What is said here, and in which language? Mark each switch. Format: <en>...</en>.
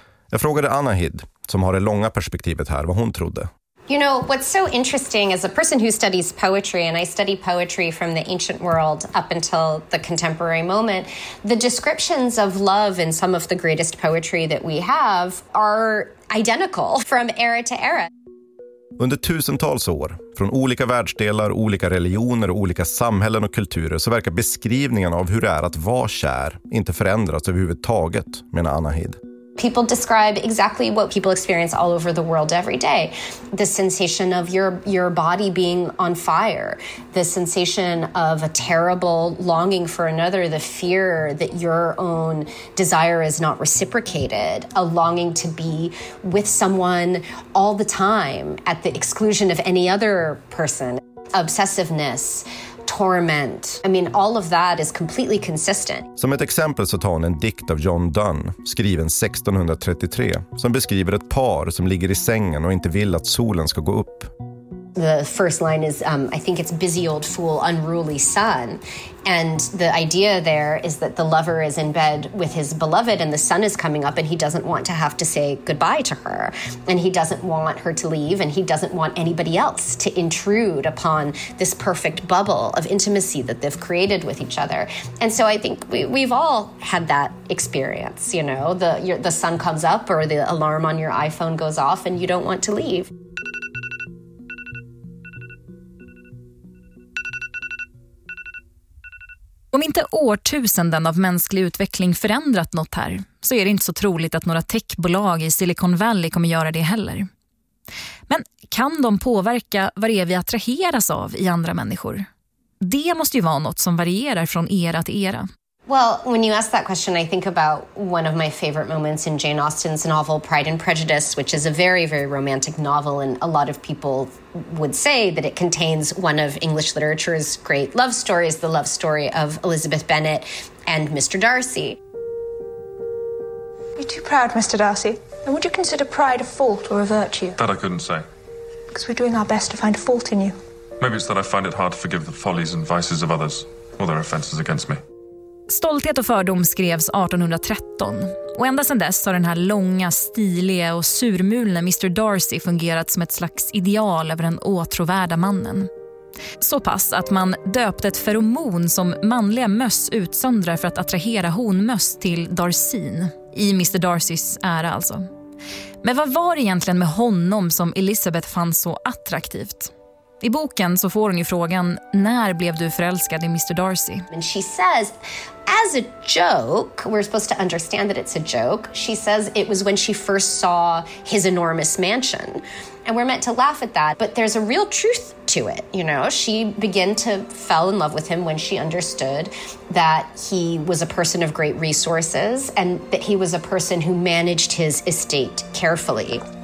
<sv>Jag frågade Anahid, som har det långa perspektivet här, vad hon trodde.</sv> <en>You know, what's so interesting as a person who studies poetry, and I study poetry from the ancient world up until the contemporary moment, the descriptions of love in some of the greatest poetry that we have are identical from era to era.</en> <sv>Under tusentals år, från olika världsdelar, olika religioner och olika samhällen och kulturer, så verkar beskrivningen av hur det är att vara kär inte förändras överhuvudtaget, menar Anahid.</sv> <en>People describe exactly what people experience all over the world every day. The sensation of your body being on fire. The sensation of a terrible longing for another. The fear that your own desire is not reciprocated. A longing to be with someone all the time at the exclusion of any other person. Obsessiveness. Torment. I mean, all of that is completely consistent.</en> <sv>Som ett exempel så tar hon en dikt av John Donne, skriven 1633, som beskriver ett par som ligger i sängen och inte vill att solen ska gå upp.</sv> <en>the first line is, I think it's busy old fool, unruly son. And the idea there is that the lover is in bed with his beloved and the sun is coming up and he doesn't want to have to say goodbye to her. And he doesn't want her to leave and he doesn't want anybody else to intrude upon this perfect bubble of intimacy that they've created with each other. And so I think we've all had that experience, you know, the sun comes up or the alarm on your iPhone goes off and you don't want to leave.</en> <sv>Om inte årtusenden av mänsklig utveckling förändrat något här, så är det inte så troligt att några techbolag i Silicon Valley kommer göra det heller. Men kan de påverka vad det är vi attraheras av i andra människor? Det måste ju vara något som varierar från era till era.</sv> <en>Well, when you ask that question, I think about one of my favorite moments in Jane Austen's novel Pride and Prejudice, which is a very, very romantic novel, and a lot of people would say that it contains one of English literature's great love stories, the love story of Elizabeth Bennet and Mr. Darcy. You're too proud, Mr. Darcy. And would you consider pride a fault or a virtue? That I couldn't say. Because we're doing our best to find a fault in you. Maybe it's that I find it hard to forgive the follies and vices of others, or their offenses against me.</en> <sv>Stolthet och fördom skrevs 1813 och ända sedan dess har den här långa, stiliga och surmulna Mr. Darcy fungerat som ett slags ideal över den åtråvärda mannen. Så pass att man döpt ett feromon som manliga möss utsöndrar för att attrahera honmöss till Darcyn, i Mr. Darcys ära alltså. Men vad var det egentligen med honom som Elizabeth fann så attraktivt? I boken så får hon ju frågan, när blev du förälskad i Mr. Darcy?</sv> <en>And she says, as a joke, we're supposed to understand that it's a joke. She says it was when she first saw his enormous mansion. And we're meant to laugh at that, but there's a real truth to it, you know? She began to fell in love with him when she understood that he was a person of great resources and that he was a person who managed his estate carefully.</en>